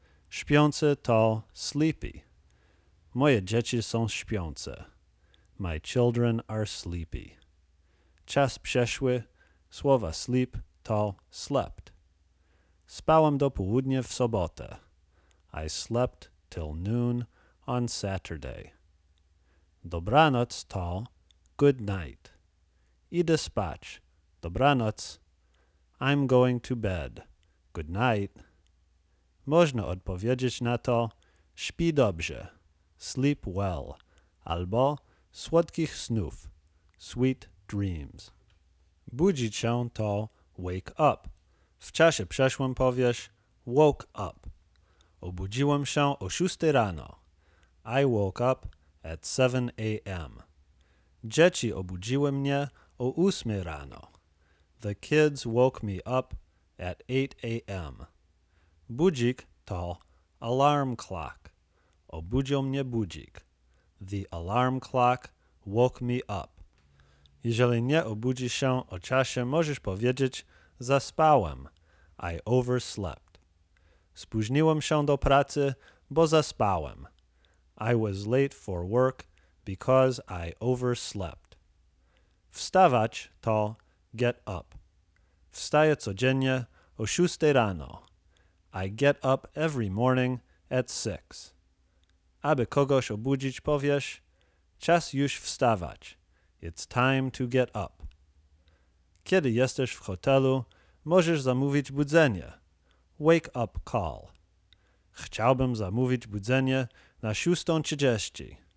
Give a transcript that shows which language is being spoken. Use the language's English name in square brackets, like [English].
[Polish] Śpiący to sleepy. Moje dzieci są śpiące. [English] My children are sleepy. [Polish] Czas przeszły, słowa [English] sleep to slept. [Polish] Spałam do południa w sobotę. [English] I slept till noon on Saturday. [Polish] Dobranoc to good night. Idę spać. Dobranoc. [English] I'm going to bed. Good night. [Polish] Można odpowiedzieć na to śpi dobrze. [English] Sleep well. [Polish] Albo słodkich snów. [English] Sweet dreams. [Polish] Budzić się to [English] wake up. [Polish] W czasie przeszłym powiesz woke up. Obudziłem się o 6 rano. [English] I woke up at 7 a.m. [Polish] Dzieci obudziły mnie o 8 rano. [English] The kids woke me up at 8 a.m. [Polish] Budzik to alarm clock. Obudził mnie budzik. [English] The alarm clock woke me up. [Polish] Jeżeli nie obudzisz się o czasie, możesz powiedzieć zaspałem. [English] I overslept. [Polish] Spóźniłem się do pracy, bo zaspałem. [English] I was late for work because I overslept. [Polish] Wstawać to get up. Wstaję codziennie o 6 rano. [English] I get up every morning at 6. [Polish] Aby kogoś obudzić, powiesz, czas już wstawać. [English] It's time to get up. [Polish] Kiedy jesteś w hotelu, możesz zamówić budzenie. [English] Wake up call. [Polish] Chciałbym zamówić budzenie na 6:30.